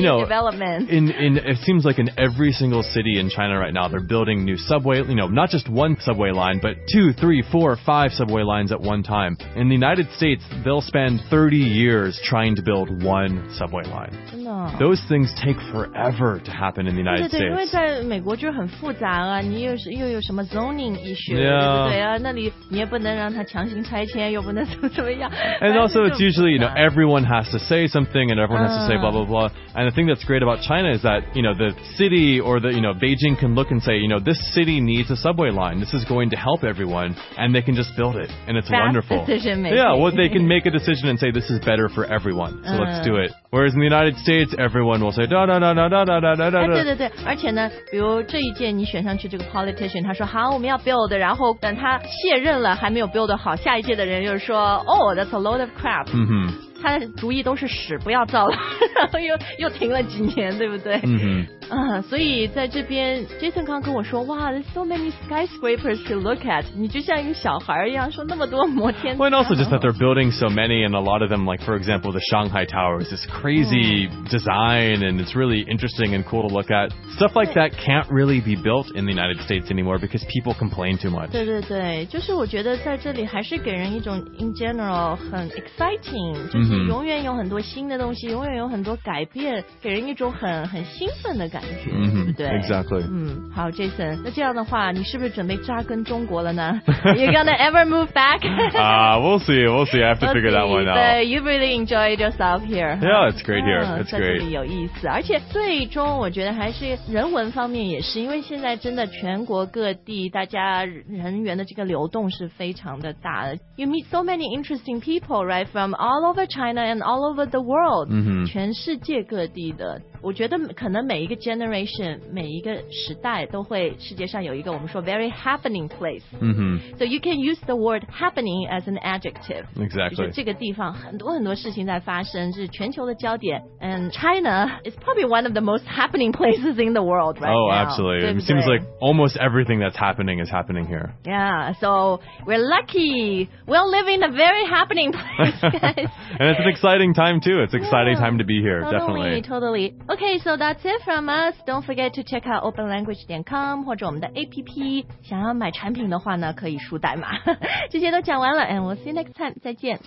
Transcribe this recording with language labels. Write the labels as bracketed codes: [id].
[en] you know, development? It seems like in every single city in China right now, they're building new subway, you know, not just one subway line, but 2, 3, 4, 5 subway lines at one time. In the United States, they'll spend 30 years trying to build one subway line. Those things take forever to happen in the United States. [zh] 对对对，因为在美国就很复杂啊，你又有什么 [en] zoning issue, [zh] 对不对啊，那里你也不能让它强行拆迁，又不能怎么样。 [en] And also it's usually, you know, everyone has to say something and everyone has to say blah, blah, blah. And the thing that's great about China is that, you know, the city or the, you know, Beijing can look and say, you know, this city needs a subway line. This is going to help everyone. And they can just build it. And it's wonderful. Yeah, well, they can make a decision and say, this is better for everyone. So let's do it. Whereas in the United States, everyone will say, da, da, da, da, da, da, da, da, da, da. [zh] 对对对，而且呢，比如这一届你选上去这个 politician, 他说好，我们要 build, 然后等他卸任了还没有 build 好，下一届的人就说 [en] oh, that's a load of crap. [zh] 他的主意都是屎，不要造了，然后又停了几年，对不对？所以在这边 Jason 刚跟我说哇 [en] there's so many skyscrapers to look at, [zh] 你就像一个小孩一样说那么多摩天 [en] 轮。 Well, and also just that they're building so many and a lot of them, like for example the Shanghai Tower is this crazy design and it's really interesting and cool to look at. Stuff like that can't really be built in the United States anymore because people complain too much. [zh] 对对对，就是我觉得在这里还是给人一种 [en] in general [zh] 很 exciting, 就是永远有很多新的东西，永远有很多改变，给人一种很兴奋的感觉。对， [en] exactly. [zh] 好 Jason, 那这样的话你是不是准备扎根中国了呢？ [en] Are you gonna ever move back? We'll see. I have to figure that one out. You've really enjoyed yourself here. Yeah, it's great here. It's great. [zh] 在这里有意思，而且最终我觉得还是人文方面也是，因为现在真的全国各地大家人员的这个流动是非常的大的。 [en] You meet so many interesting people, right, from all over China and all over the world. [zh] 全世界各地的，我觉得可能每一个 generation 每一个时代都会世界上有一个我们说 [en] very happening place. So you can use the word happening as an adjective. Exactly. [zh] 就是这个地方很多很多事情在发生，是全球的焦点。 [en] And China is probably one of the most happening places in the world right now. Oh, absolutely. [zh] 对不对? [en] It seems like almost everything that's happening is happening here. Yeah, so we're lucky. We're living in a very happening place, guys. And it's an exciting time too. It's an exciting time to be here, definitely. Totally. Okay, so that's it from us. Don't forget to check out openlanguage.com [zh] 或者我们的 [en] APP. [zh] 想要买产品的话呢，可以输代码。这些都讲完了， [en] and we'll see you next time. [zh] 再见。